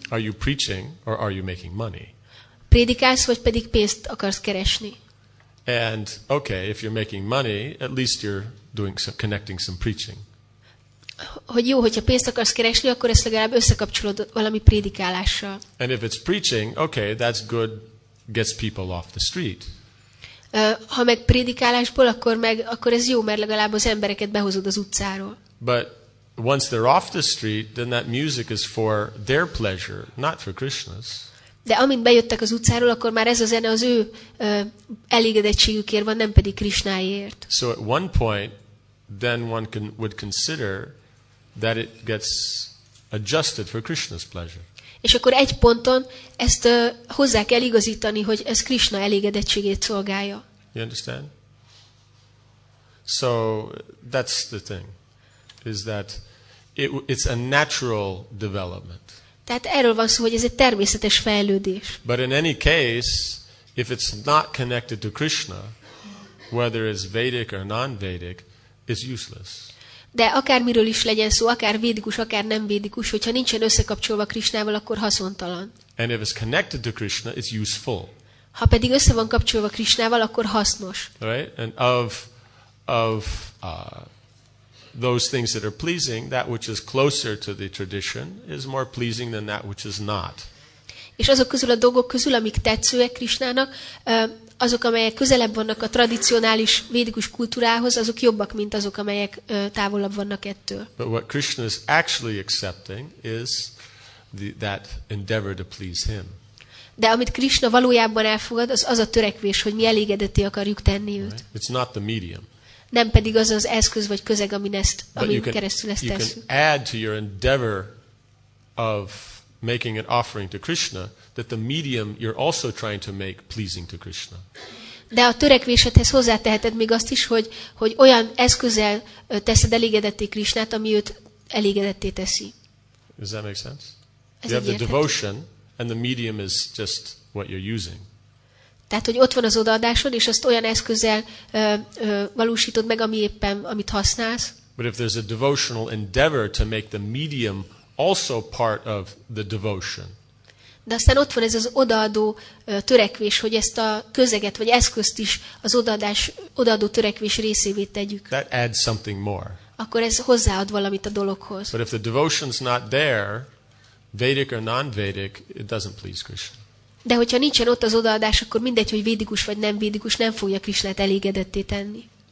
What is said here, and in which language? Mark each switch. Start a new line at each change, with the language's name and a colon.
English: Are you preaching or are you making money?
Hungarian: Prédikálsz, vagy pedig pénzt akarsz keresni?
English: And okay, if you're making money, at least you're doing some connecting some preaching.
Hungarian: Hogy jó, hogyha pénzt akarsz keresni, akkor ezt legalább összekapcsolod valami prédikálással.
English: And if it's preaching, okay, that's good, gets people off the street.
Hungarian: Ha meg prédikálásból, akkor ez jó, mert legalább az embereket behozod az utcáról.
English: But once they're off the street, then that music is for their pleasure, not for Krishna's.
Hungarian: De amint bejöttek az utcáról, akkor már ez a zene az ő elégedettségükért van, nem pedig Krishnáért.
English: So at one point, then one would consider that it gets adjusted for Krishna's pleasure.
Hungarian: És akkor egy ponton ezt hozzá kell igazítani, hogy ez Krishna elégedettségét szolgálja.
English: You understand? So that's the thing, is that it's a natural development.
Hungarian: Tehát erről van szó, hogy ez egy természetes fejlődés.
English: But in any case, if it's not connected to Krishna, whether it's Vedic or non-Vedic, it's useless.
Hungarian: De akármiről is legyen szó, akár védikus, akár nem védikus, hogyha nincsen összekapcsolva Krishnával, akkor haszontalan.
English: And if it's connected to Krishna, it's useful.
Hungarian: Ha pedig össze van kapcsolva Krishnával, akkor hasznos.
English: Right? And of those things that are pleasing, that which is closer to the tradition is more pleasing than that which is not.
Hungarian: És azok közül a dolgok közül, amik tetszőek Krishnának, azok, amelyek közelebb vannak a tradicionális védikus kultúrához, azok jobbak, mint azok, amelyek távolabb vannak ettől.
English: But what Krishna is actually accepting is that endeavor to please him.
Hungarian: De amit Krishna valójában elfogad, az a törekvés, hogy mi elégedetté akarjuk tenni őt.
English: Right? It's not the medium.
Hungarian: Nem pedig az az eszköz vagy közeg, amin keresztül ezt tesszük.
English: You can add to your endeavor of making an offering to Krishna that the medium you're also trying to make pleasing to Krishna.
Hungarian: De a törekvésedhez hozzáteheted még azt is, hogy olyan eszközzel teszed elégedetté Krishnát, ami őt elégedetté teszi.
English: Does that make sense? You have the devotion and the medium is just what you're using.
Hungarian: Tehát, hogy ott van az odaadásod, és azt olyan eszközzel valósítod meg, ami éppen, amit használsz.
English: But if there's a devotional endeavor to make the medium also part of the devotion.
Hungarian: De aztán ott van ez az odaadó törekvés, hogy ezt a közeget vagy eszközt is az odaadó törekvés részévé tegyük.
English: That adds something more.
Hungarian: Akkor ez hozzáad valamit a dologhoz.
English: But if the devotion's not there, Vedic or non-Vedic, it doesn't please Krishna.
Hungarian: De hogyha nincsen ott az odaadás, akkor mindegy, hogy védikus vagy nem védikus, nem fogja Krisnát elégedetté tenni.